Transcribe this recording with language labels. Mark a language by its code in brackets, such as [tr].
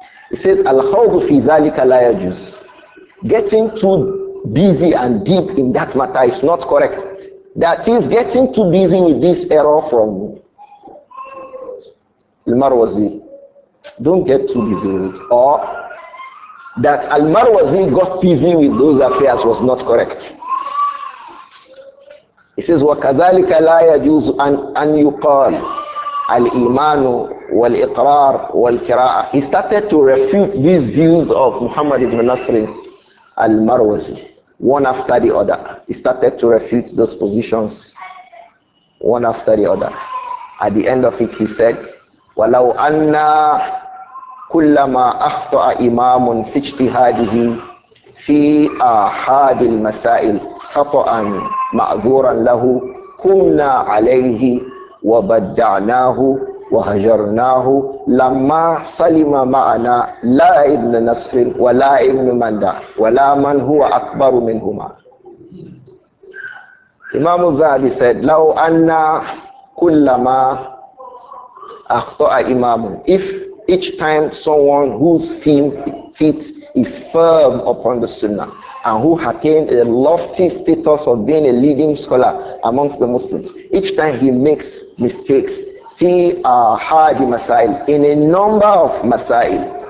[en] He says, [ar] Al-Khawdu fi dhalika la yajuz. [en] Getting too busy and deep in that matter is not correct. That is, getting too busy with this error from Al-Marwazi. Don't get too busy with it. Or that Al-Marwazi got busy with those affairs was not correct. He says, [ar] وَكَذَلِكَ لَا يَجُوزُ أَنْ يُقَالُ الْإِيمَانُ وَالْإِقْرَارُ وَالْكِرَاءَ. [en] He started to refute these views of Muhammad ibn Nasr al-Marwazi, one after the other. He started to refute those positions, one after the other. At the end of it, he said, [ar] وَلَوْ أَنَّا كُلَّمَا أَخْطَأَ إِمَامٌ فِي اجْتِهَادِهِ فِي أَحَادِ الْمَسَائِلِ خَطَأً مَعْذُورًا لَهُ كُنَّا عَلَيْهِ وَبَدَّعْنَاهُ وَهَجَرْنَاهُ لَمَّا سَلِمَ مَعَنَا لَا إِبْنَ نَصْرٍ وَلَا إِبْنُ مَنْدَى وَلَا مَنْ هُوَ أَكْبَرُ مِنْهُمَا. [en] Imam al-Zahabi said, [ar] لَوْ أَنَّا كُلَّمَا أَخْطَأَ إِمَامٌ. [en] If each time someone whose feet is firm upon the Sunnah and who attained a lofty status of being a leading scholar amongst the Muslims, each time he makes mistakes, [ar] fi ahadi masail, [en] in a number of masail,